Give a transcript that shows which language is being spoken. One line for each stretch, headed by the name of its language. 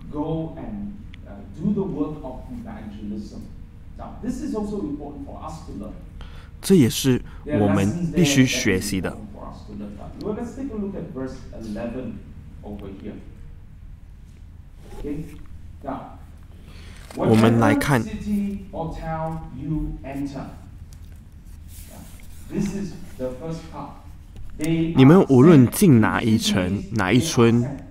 English: Go and do the work of evangelism. Now, this is also important for us to learn.
Chinese: 这也是我们必须学习的。
English: Let's take a look at verse 11 over here. Okay. Now,
Chinese: 我们来看
English: city or town you enter. This is the first part.
Chinese: 你们无论进哪一城、哪一村。